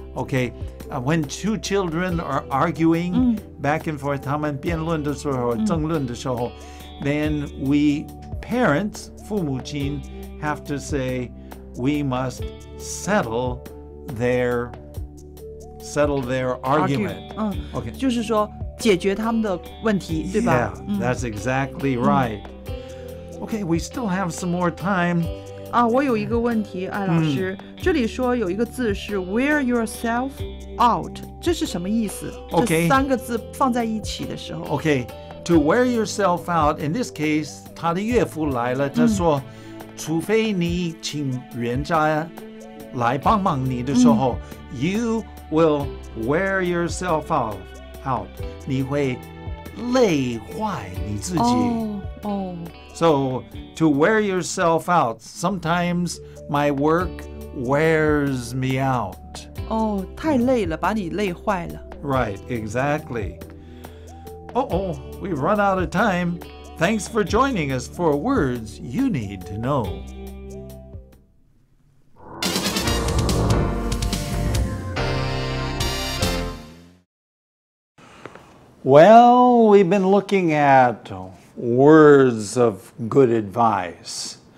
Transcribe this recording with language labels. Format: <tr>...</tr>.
<en>Okay, when two children are arguing back and forth,</en> <zh>他们辩论的时候争论的时候</zh> <en>then we... Parents,</en> <zh>父母亲,</zh> <en>have to say, we must settle their argument. Okay.</en> <zh>就是说解决他们的问题, 对吧?</zh> <en>Yeah, that's exactly right. Okay, we still have some more time.</en> <zh>我有一个问题,艾老师。这里说有一个字是</zh> <en>wear yourself out.</en> <zh>这是什么意思?</zh> <en>Okay.</en> <zh>这三个字放在一起的时候。</zh> <en>Okay. To wear yourself out, in this case,</en> <zh>他的岳父来了，他说，除非你请人家来帮忙你的时候，</zh> <en>you will wear yourself out,</en> <zh>你会累坏你自己。哦。</zh> <en>So, to wear yourself out, sometimes my work wears me out.</en> <zh>哦、oh, ，太累了，把你累坏了。</zh> <en>Right, exactly. Uh-oh, we've run out of time. Thanks for joining us for Words You Need to Know. Well, we've been looking at words of good advice.</en>